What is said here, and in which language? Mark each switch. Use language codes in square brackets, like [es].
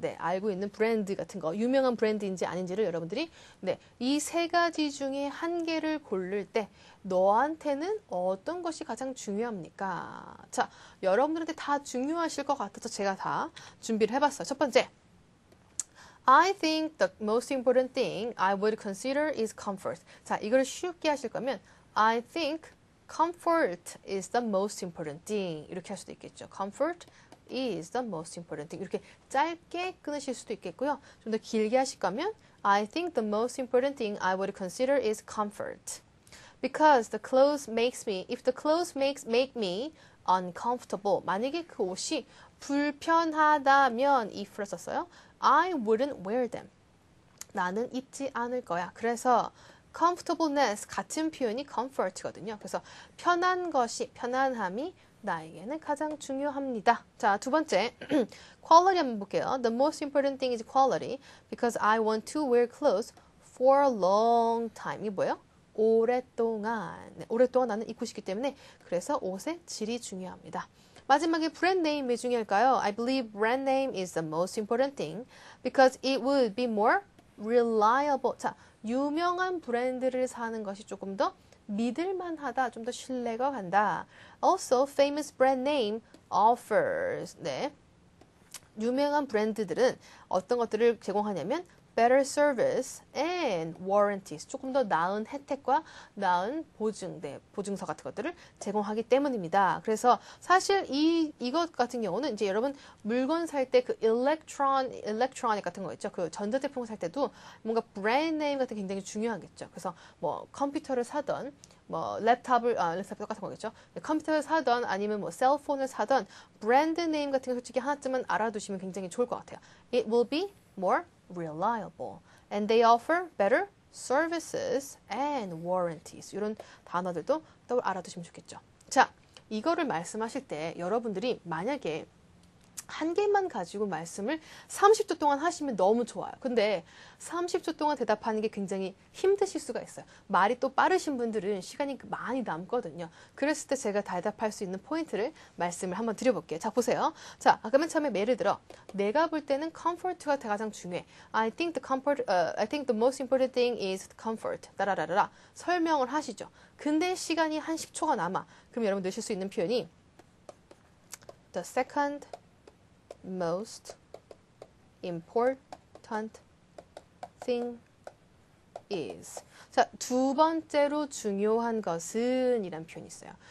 [ko] 네, 알고 있는 브랜드 같은 거 유명한 브랜드인지 아닌지를 여러분들이 네, 이세 가지 중에 한 개를 고를 때 너한테는 어떤 것이 가장 중요합니까? 자, 여러분들한테 다 중요하실 것 같아서 제가 다 준비를 해봤어요. 첫 번째. [en] I think the most important thing I would consider is comfort. [ko] 자, 이걸 쉽게 하실 거면 [en] I think comfort is the most important thing. [ko] 이렇게 할 수도 있겠죠. [en] Comfort is the most important thing. [ko] 이렇게 짧게 끊으실 수도 있겠고요. 좀더 길게 하실 거면 [en] I think the most important thing I would consider is comfort. Because the clothes makes me, if the clothes makes make me uncomfortable. [ko] 만약에 그 옷이 불편하다면 if를 썼어요. [en] I wouldn't wear them. [ko] 나는 입지 않을 거야. 그래서 comfortableness 같은 표현이 comfort거든요. 그래서 편한 것이, 편안함이 나에게는 가장 중요합니다. 자, 두 번째, quality 한번 볼게요. [en] The most important thing is quality because I want to wear clothes for a long time. [ko] 이게 뭐예요? 오랫동안. 네, 오랫동안 나는 입고 싶기 때문에 그래서 옷의 질이 중요합니다. 마지막에 브랜드 네임 왜 중요할까요? [en] I believe brand name is the most important thing because it would be more reliable. [ko] 자, 유명한 브랜드를 사는 것이 조금 더 믿을 만하다, 좀더 신뢰가 간다. [en] Also, famous brand name offers. [ko] 네. 유명한 브랜드들은 어떤 것들을 제공하냐면 [en] better service and warranties. [ko] 조금 더 나은 혜택과 나은 보증, 네, 보증서 같은 것들을 제공하기 때문입니다. 그래서 사실 이것 같은 경우는 이제 여러분 물건 살때그 electronic 같은 거 있죠. 그 전자제품 살 때도 뭔가 브랜드네임 같은 게 굉장히 중요하겠죠. 그래서 뭐 컴퓨터를 사던 뭐 랩탑 똑같은 거겠죠. 컴퓨터를 사던 아니면 뭐 셀폰을 사던 브랜드네임 같은 게 솔직히 하나쯤은 알아두시면 굉장히 좋을 것 같아요. [en] It will be more reliable and they offer better services and warranties. [ko] 이런 단어들도 또 알아두시면 좋겠죠. 자, 이거를 말씀하실 때 여러분들이 만약에 한 개만 가지고 말씀을 30초 동안 하시면 너무 좋아요. 근데 30초 동안 대답하는 게 굉장히 힘드실 수가 있어요. 말이 또 빠르신 분들은 시간이 많이 남거든요. 그랬을 때 제가 대답할 수 있는 포인트를 말씀을 한번 드려볼게요. 자, 보세요. 자, 그러면 처음에 예를 들어, 내가 볼 때는 comfort가 가장 중요해. [en] I think the most important thing is comfort. [ko] 따라라라라. 설명을 하시죠. 근데 시간이 한 10초가 남아. 그럼 여러분 넣으실 수 있는 표현이 [en] the second most important thing is. [ko] 자, 두 번째로 중요한 것은 이란 표현이 있어요.